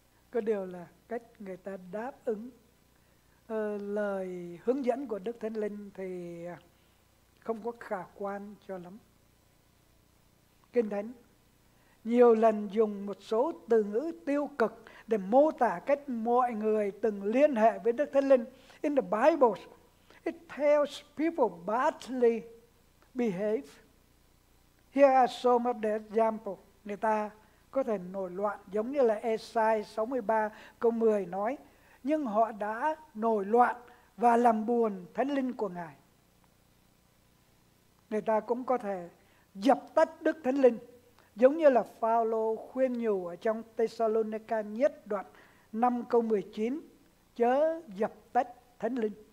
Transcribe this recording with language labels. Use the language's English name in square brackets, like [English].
[Vietnamese] Có điều là cách người ta đáp ứng lời hướng dẫn của Đức Thánh Linh thì không có khả quan cho lắm. Kinh Thánh nhiều lần dùng một số từ ngữ tiêu cực để mô tả cách mọi người từng liên hệ với Đức Thánh Linh. [English] In the Bible, it tells people badly behave. Here are some of the examples. [Vietnamese] Người ta có thể nổi loạn giống như là Esai 63 câu 10 nói, nhưng họ đã nổi loạn và làm buồn Thánh Linh của Ngài. Người ta cũng có thể dập tắt Đức Thánh Linh, giống như là Phao-lô khuyên nhủ ở trong Tê-sa-lô-ni-ca nhất đoạn 5 câu 19, chớ dập tắt Thánh Linh.